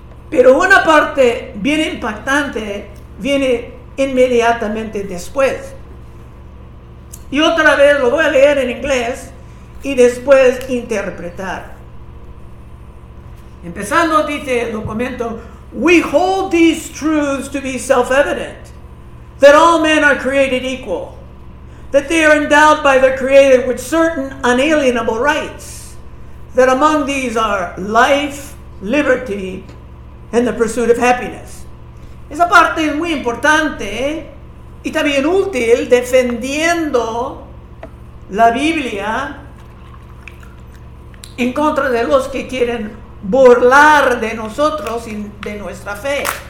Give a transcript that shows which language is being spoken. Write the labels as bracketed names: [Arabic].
[Spanish] Pero una parte bien impactante viene inmediatamente después. Y otra vez lo voy a leer en inglés y después interpretar. Empezando, dice el documento: [English] "We hold these truths to be self-evident, that all men are created equal, that they are endowed by their Creator with certain unalienable rights, that among these are life, liberty, and the pursuit of happiness." [Spanish] Esa parte es muy importante y también útil, defendiendo la Biblia en contra de los que quieren burlar de nosotros y de nuestra fe.